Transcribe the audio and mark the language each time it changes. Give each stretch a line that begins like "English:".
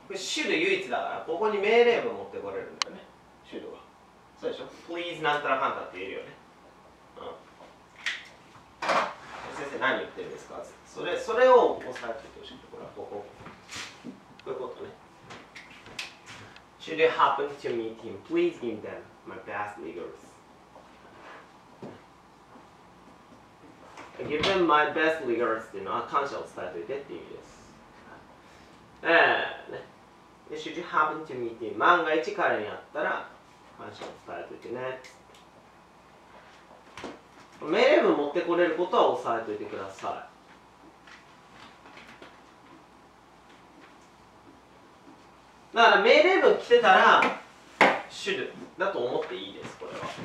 Japanese: シュル唯一だから、ここに命令文持ってこれるんだよね、シュルは。そうでしょ？ Please なんたらかんたって言えるよね。うん。先生、何言ってるんですか？それを押さえておいてほしい。これはここ。こういうことね。
English: Should it happen to meet him, please give them my best regards. Give them my best regards
Japanese: っていうのは感謝を伝えておいてっていう意味です。
English: ね、Should you happen to meet him?
Japanese: 万が一彼に会ったら感謝を伝えておいてね。命令文持ってこれることは押さえておいてください。だから命令文来てたら Should だと思っていいです、これは。